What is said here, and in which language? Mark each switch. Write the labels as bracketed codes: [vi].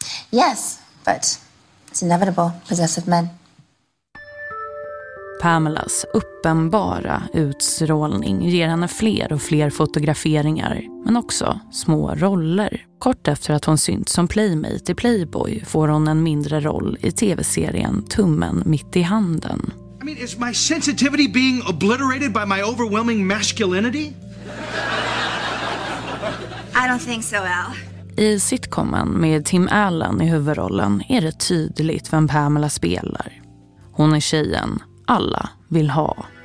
[en] Yes, but it's inevitable, possessive men. [sv] Pamelas uppenbara utstrålning ger henne fler och fler fotograferingar, men också små roller. Kort efter att hon synts som playmate i Playboy får hon en mindre roll i tv-serien Tummen mitt i handen. [en] I mean, is my sensitivity being obliterated by my overwhelming masculinity? I don't think so, Al. [sv] I sitcomen med Tim Allen i huvudrollen är det tydligt vem Pamela spelar. Hon är tjejen alla vill ha.